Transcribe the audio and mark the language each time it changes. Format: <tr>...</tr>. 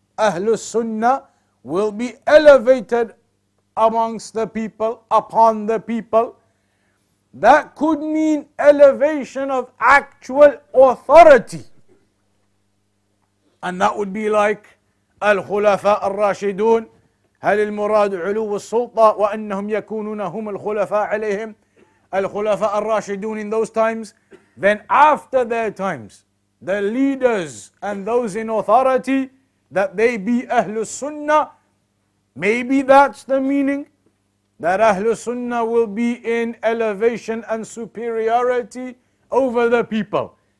<en>Ahlus Sunnah will be elevated amongst the people, upon the people. That could mean elevation of actual authority. And that would be like Al-Khulafa Ar-Rashidun.</en> <ar>هل المراد علو السلطة وأنهم يكونون هم الخلفاء عليهم الخلفاء الراشدون</ar> <en>in those times. Then after their times, the leaders and those in authority, that they be Ahlus Sunnah. Maybe that's the meaning, that Ahlus Sunnah will be in elevation and superiority over the people.</en>